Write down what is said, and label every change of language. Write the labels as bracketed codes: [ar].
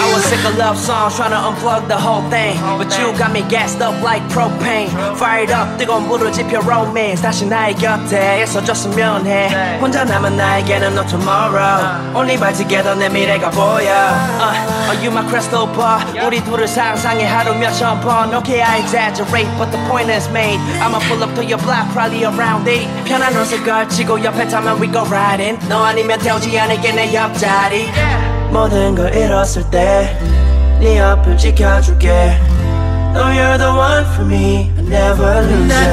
[en] Sick of love songs, tryna unplug the whole thing. But you got me gassed up like propane. Fired up, [ko] 뜨거운 물을 집혀 romance. 다시 나의 곁에 있어줬으면 해. 혼자 남은 나에게는 [en] no tomorrow. Only by together [ko] 내 미래가 보여. [en] Are you my crystal ball? [ko] 우리 둘을 상상해 하루 몇천 번. [en] Okay, I exaggerate, but the point is made. I'ma pull up to your block, probably around 8. [ko] 편한 옷을 걸치고 옆에 타면 [en] we go riding. [ko] 너 아니면 태우지 않을게 내 옆자리. 모든 걸 잃었을 때 네 옆을 지켜줄게. [en] No, you're the one for me. I never lose you.